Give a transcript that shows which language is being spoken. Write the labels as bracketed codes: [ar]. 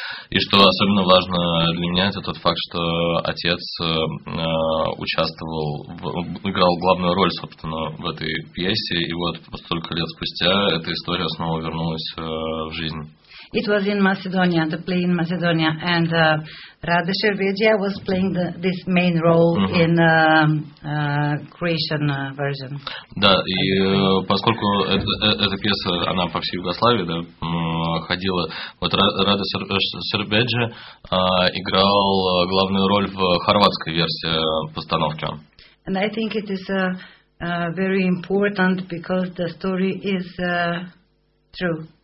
[ru] И что особенно важно для меня, это тот факт, что отец играл главную роль, собственно, в этой пьесе. И вот столько лет спустя эта история снова вернулась в жизнь. [en] It was in Macedonia, the play in Macedonia, and Rade Šerbedžija was playing this main role uh-huh. in the Croatian version. [ru] Да, и поскольку эта пьеса, она по всей Югославии, да, ходила, вот Рада Шербеджа играл главную роль в хорватской версии постановки. [en] And I think it is very important because the story is true.